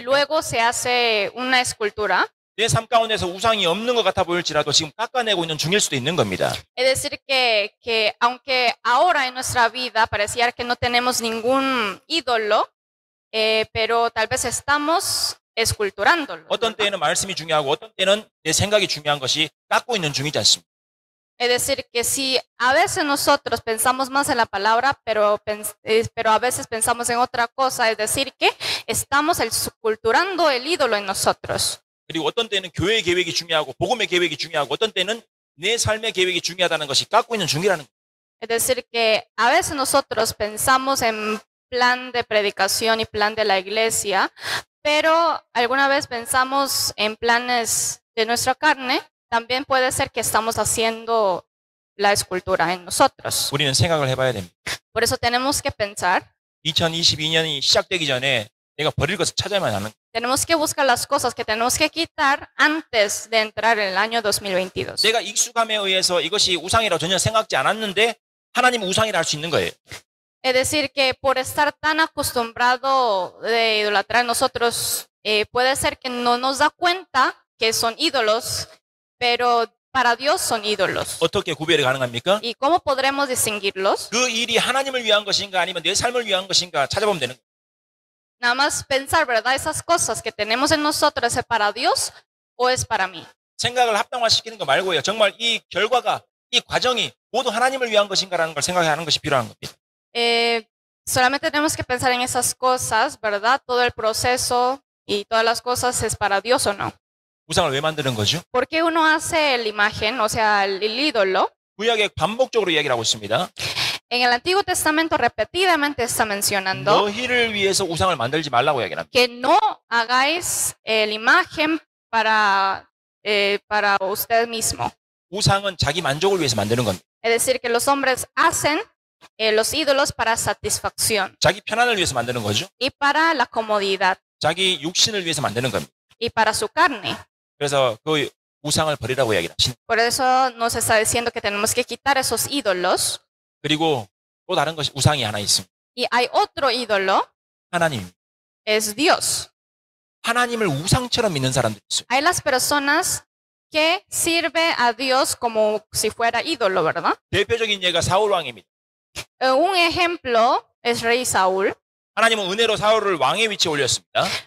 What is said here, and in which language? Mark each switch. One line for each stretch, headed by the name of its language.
Spanish: Y luego se hace una escultura.
Korean: 내 삶 가운데서 우상이 없는 것 같아 보일지라도 지금 깎아내고 있는 중일 수도 있는 겁니다.
Spanish: Es decir que aunque ahora en nuestra vida parecía que no tenemos ningún ídolo, pero tal vez estamos esculturándolo.
Korean: 어떤 때는 말씀이 중요하고 어떤 때는 내 생각이 중요한 것이 깎고 있는 중이지 않습니까?
Spanish: Es decir, que si a veces nosotros pensamos más en la palabra, pero a veces pensamos en otra cosa, es decir, que estamos culturando el ídolo en nosotros.
Korean: 그리고 어떤 때는 교회 계획이 중요하고 복음의 계획이 중요하고 어떤 때는 내 삶의 계획이 중요하다는 것이 깎고 있는 중이라는 거예요.
Spanish: Es decir, que a veces nosotros pensamos en plan de predicación y plan de la iglesia, pero alguna vez pensamos en planes de nuestra carne, también puede ser que estamos haciendo la escultura en nosotros.
Korean: 우리는 생각을 해봐야 됩니다.
Spanish: Por eso tenemos que pensar.
Korean: 2022년이 시작되기 전에 내가 버릴 것을 찾아야만 하는.
Spanish: Tenemos que buscar las cosas que tenemos que quitar antes de entrar en el año 2022.
Korean: 내가 익숙함에 의해서 이것이 우상이라고 전혀 생각지 않았는데 하나님 우상이라 할 수 있는 거예요.
Spanish: Es decir que por estar tan acostumbrado de idolatrar nosotros puede ser que no nos da cuenta que son ídolos, pero para Dios son ídolos.
Korean: 어떻게 구별이 가능합니까?
Spanish: ¿Y cómo podremos distinguirlos?
Korean: 그 일이 하나님을 위한 것인가 아니면 내 삶을 위한 것인가 찾아보면 되는 거예요.
Spanish: Nada más pensar, ¿verdad? Esas cosas que tenemos en nosotros, ¿es para Dios o es para mí?
Korean: 생각을 합당화시키는 거 말고요. 정말 이 결과가, 이 과정이 모두 하나님을 위한 것인가라는 걸 생각해야 하는 것이 필요한 겁니다.
Spanish: Solamente tenemos que pensar en esas cosas, ¿verdad? Todo el proceso y todas las cosas, ¿es para Dios o no?
Korean: 우상을 왜 만드는 거죠?
Spanish: ¿Por qué uno hace la imagen, o sea, el ídolo?
Korean: 구약에 반복적으로 이야기를 하고 있습니다.
Spanish: En el Antiguo Testamento repetidamente está mencionando
Korean: 너희를 위해서 우상을 만들지 말라고 이야기합니다.
Spanish: Que no hagáis la imagen para usted mismo.
Korean: 우상은 자기 만족을 위해서 만드는 겁니다.
Spanish: Es decir, que los hombres hacen los ídolos para satisfacción.
Korean: 자기 편안을 위해서 만드는 거죠.
Spanish: Y para la comodidad.
Korean: 자기 육신을 위해서 만드는 겁니다.
Spanish: Y para su carne.
Korean: 그래서 그 우상을 버리라고 이야기합니다.
Spanish: Por eso nos está diciendo que tenemos que quitar esos ídolos.
Korean: 그리고 또 다른 것이 우상이 하나 있습니다.
Spanish: Y hay otro ídolo.
Korean: 하나님.
Spanish: Es Dios.
Korean: 하나님을 우상처럼 믿는 사람들 있어요.
Spanish: Hay las personas que sirve a Dios como si fuera ídolo, ¿verdad?
Korean: 대표적인 예가 사울 왕입니다.
Spanish: Un ejemplo es rey Saúl.
Korean: 하나님은 은혜로 사울을 왕의 위치에 올렸습니다.